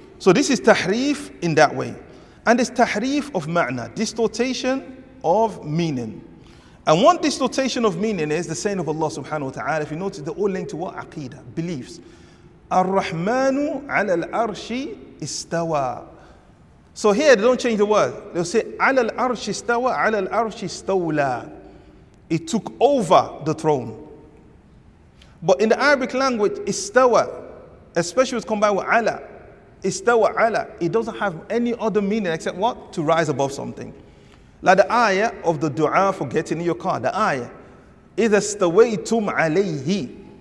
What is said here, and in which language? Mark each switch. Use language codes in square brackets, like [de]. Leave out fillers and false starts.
[en] So this is tahrif in that way. And it's tahrif of ma'na, distortion of meaning. And one distortion of meaning is the saying of Allah subhanahu wa ta'ala, if you notice, they're all linked to what? Aqidah, beliefs. Ar-Rahmanu ala al-arshi istawa. So here, they don't change the word. [ar] They'll say, عَلَى الْأَرْشِ اسْتَوَى عَلَى الْأَرْشِ اسْتَوْلَى. [en] It took over the throne. But in the Arabic language, istawa, especially with combined with عَلَى, istawa عَلَى, it doesn't have any other meaning except what? To rise above something. Like the ayah of the dua for getting in your car. The ayah, [ar] إِذَا اسْتَوَيْتُمْ عَلَيْهِ,